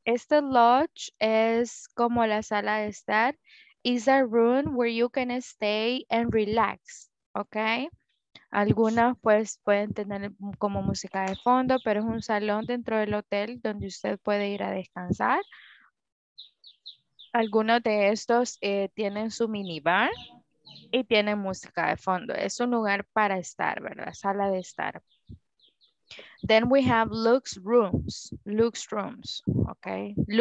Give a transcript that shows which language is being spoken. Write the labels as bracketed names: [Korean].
[Spanish] Este lodge es como la sala de estar. [English] It's a room where you can stay and relax. Okay. [Spanish] Algunas pues pueden tener como música de fondo, pero es un salón dentro del hotel donde usted puede ir a descansar. Algunos de estos tienen su minibar. Y tiene música de fondo. Es un lugar para estar, ¿verdad? Sala de estar. [English] Then we have luxe rooms, okay?